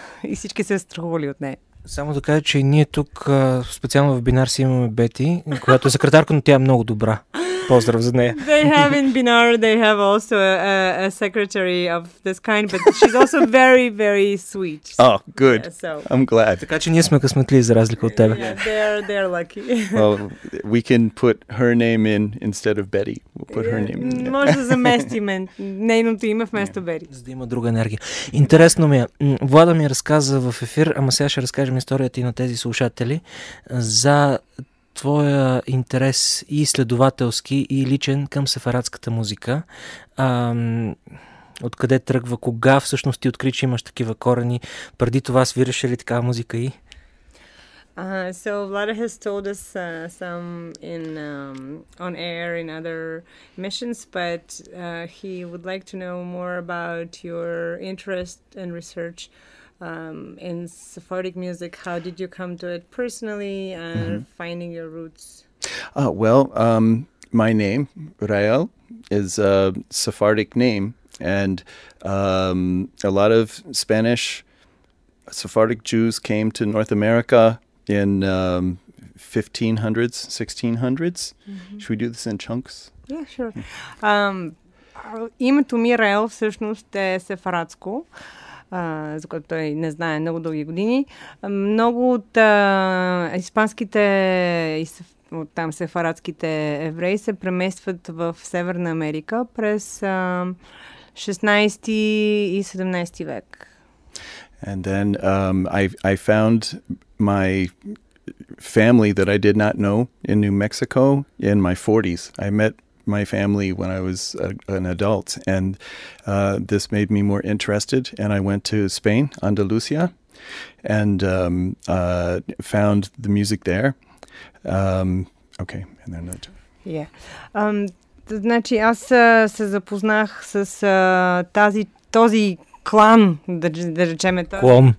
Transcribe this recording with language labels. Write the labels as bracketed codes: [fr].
[bg] И всички се страхували от нея. Само да кажа, че ние тук специално в Бинар си имаме Бети, която е секретарка, но тя е много добра. Поздрав за нея. [en] They have in Binar, they have also a secretary of this kind, but she's also very, very sweet. Oh, good. Yeah, so. I'm glad. [bg] Така че ние сме късметли за разлика от тебе. [en] Yeah, they're lucky. Well, we can put her name in instead of Betty. We'll put her name in. [bg] Може да заместим нейното име вместо Betty. За да има друга енергия. Интересно ми е. Влада ми разказа в ефир, ама сега ще разкажем историята и на тези слушатели, за твоя интерес и следователски, и личен към сефарадската музика. Откъде тръгва? Кога всъщност ти откри, че имаш такива корени? Преди това свираш ли такава музика и? [en] So Влада has told us some in on air in other missions, but he would like to know more about your interest and research in Sephardic music. How did you come to it personally and finding your roots? My name, Raël, is a Sephardic name. And a lot of Spanish Sephardic Jews came to North America in 1500s, 1600s. Mm-hmm. Should we do this in chunks? Yeah, sure. [bg] Името ми, Раел, всъщност е сефарадско, за което той не знае много дълги години. Много от испанските и оттам сефарадските евреи се преместват в Северна Америка през 16 и 17 век. [en] And then I found my family that I did not know in New Mexico in my 40s. I met my family when I was an adult, and this made me more interested. And I went to Spain, Andalusia, and found the music there. Okay, and then that. Yeah. [bg] Значи аз се запознах с този клан, да речеме това.